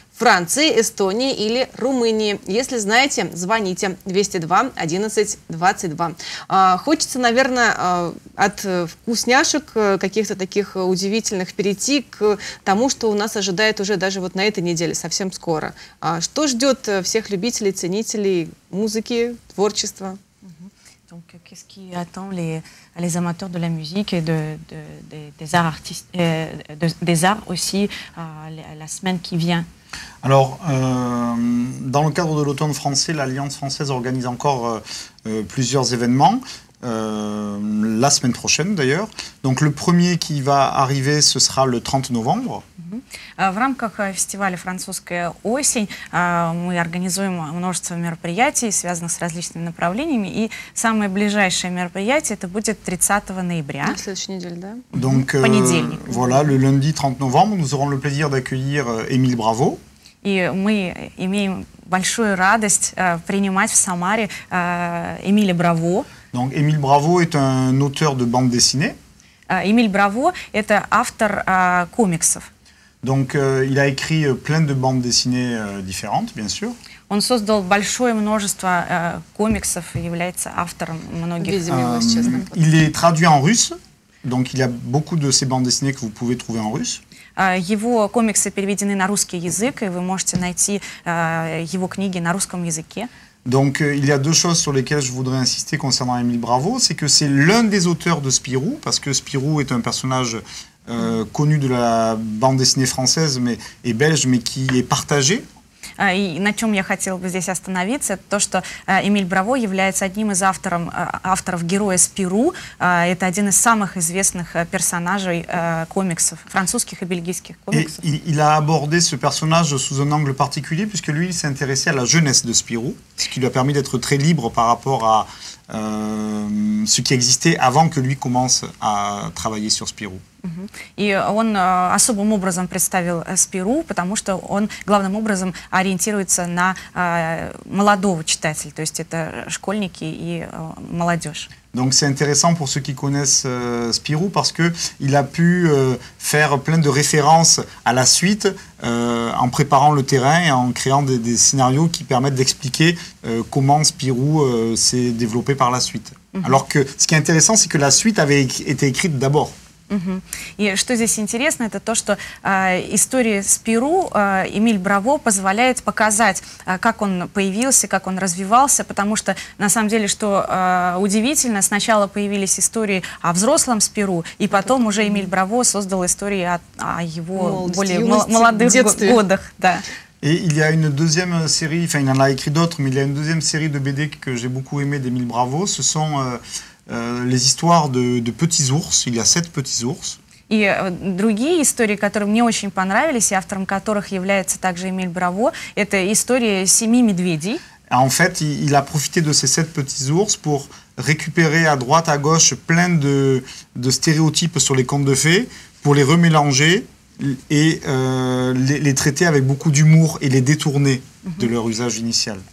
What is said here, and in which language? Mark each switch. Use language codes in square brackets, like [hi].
[ru] Франции, Эстонии или Румынии? Если знаете, звоните 202-11-22. Хочется, наверное, от вкусняшек каких-то таких удивительных перейти к тому, что у нас ожидает уже даже вот на этой неделе, совсем скоро. Что ждет всех любителей, ценителей музыки, творчества? [fr] Donc, qu'est-ce qui attend les amateurs de la musique et des arts artistes, des arts aussi la semaine qui vient? Alors, dans le cadre de l'automne français, l'Alliance française organise encore plusieurs événements. La semaine prochaine d'ailleurs. Donc le premier qui va arriver, ce sera le 30 novembre. [ru] В рамках фестиваля «Французская осень» мы организуем множество мероприятий, связанных с различными направлениями. И самое ближайшее мероприятие это будет 30 ноября. На следующей неделе, да? [fr] Donc, [ru] понедельник. [fr] Voilà, le lundi 30 novembre, nous aurons le plaisir d'accueillir Émile Bravo. [ru] И мы имеем большую радость принимать в Самаре Эмиля Браво. [fr] Donc Émile Bravo est un auteur de bande dessinée. [ru] Эмиль Браво – это автор комиксов. [fr] Donc il a écrit plein de bandes dessinées différentes, bien sûr. [ru] Он создал большое множество комиксов и является автором многих. [fr] Il est traduit en russe, donc il y a beaucoup de ces bandes dessinées que vous pouvez trouver en russe. [ru] Его комиксы переведены на русский язык, и вы можете найти его книги на русском языке. [fr] Donc il y a deux choses sur lesquelles je voudrais insister concernant Émile Bravo, c'est que c'est l'un des auteurs de Spirou, parce que Spirou est un personnage connu de la bande dessinée française mais et belge, mais qui est partagé. [ru] И на чем я хотела бы здесь остановиться, это то, что Эмиль Браво является одним из авторов героя Спиру. Это один из самых известных персонажей комиксов, французских и бельгийских комиксов. [fr] Il a abordé ce personnage sous un angle particulier, puisque lui, il s'est intéressé à la jeunesse de Spirou, ce qui lui a permis d'être très libre par rapport à ce qui existait avant que lui commence à travailler sur Spirou. [ru] И он особым образом представил Спиру, потому что он главным образом ориентируется на молодого читателя, то есть это школьники и молодежь. [fr] Donc c'est intéressant pour ceux qui connaissent Spirou parce que il a pu faire plein de références à la suite en préparant le terrain et en créant des scénarios qui permettent d'expliquer comment Spirou s'est développé par la suite. Mm-hmm. Alors que ce qui est intéressant, c'est que la suite avait été écrite d'abord. [ru] И что здесь интересно, это то, что история Спиру, Эмиль Браво позволяет показать, как он появился, как он развивался, потому что на самом деле, что удивительно, сначала появились истории о взрослом Спиру, и потом уже Эмиль Браво создал истории о его более молодых годах. [fr] Et il y a une deuxième série, enfin il en a écrit d'autres, mais il y a une deuxième série de BD que j'ai beaucoup aimé d'Émile Bravo, ce sont les histoires de petits ours, il y a 7 petits ours. [ru] И другие истории, которые мне очень понравились, и автором которых является также Эмиль Браво, это история 7 медведей. [fr] En fait, il a profité de ces 7 petits ours pour récupérer à droite, à gauche, plein de stéréotypes sur les contes de fées, pour les remélanger et les traiter avec beaucoup d'humour et les détourner de leur usage initial.